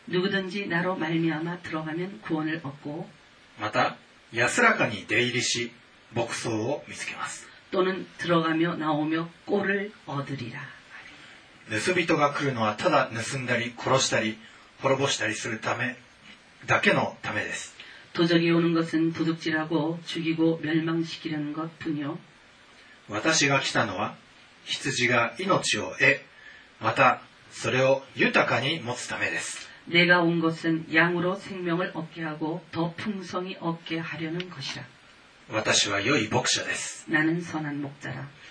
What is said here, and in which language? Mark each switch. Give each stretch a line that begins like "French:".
Korean: 누구든지나로말미암아들어가면구원을얻고
Japanese: また安らかに出入りし牧草を見つけます。
Korean: 또는들어가며나오며꼴을얻으리라。
Japanese: 盗人が来るのはただ盗んだり殺したり滅ぼしたりするためだけのためです。
Korean: 도적이 오는 것은 도둑질하고 죽이고 멸망시키려는 것 뿐이요.
Japanese: 私が来たのは羊が命を得またそれを豊かに持つためです。
Korean: 내가온것은양으로생명을얻게하고더풍성히얻게하려는것이라。
Japanese: 私は良い牧者です。
Korean: 나는선한목자라。